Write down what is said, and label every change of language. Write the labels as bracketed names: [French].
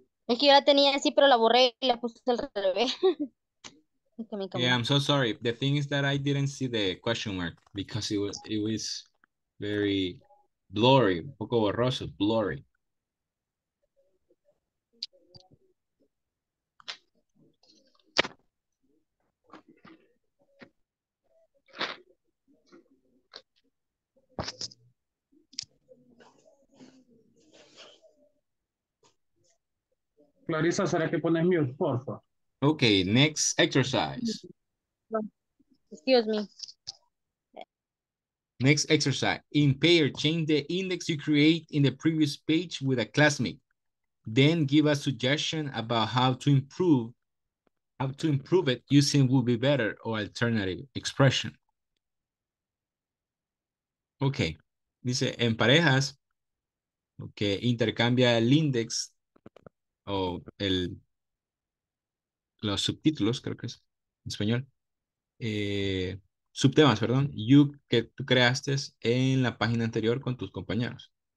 [Spanish] Es que yo la tenía así, pero la borré y la puse al revés. [English] Yeah, I'm so sorry. The thing is that I didn't see the question mark because it was very blurry, [Spanish] un poco borroso, [English] blurry. [Spanish] Clarissa, ¿será que pones mute, por favor? [English] Okay, next exercise. Excuse me. Next exercise. In pair, change the index you create in the previous page with a classmate. Then give a suggestion about how to improve it using would be better or alternative expression. Okay. [Spanish] Dice, en parejas, okay, intercambia el index o el los subtítulos, creo que es en español. Subtemas, perdón, que tú creaste en la página anterior con tus compañeros.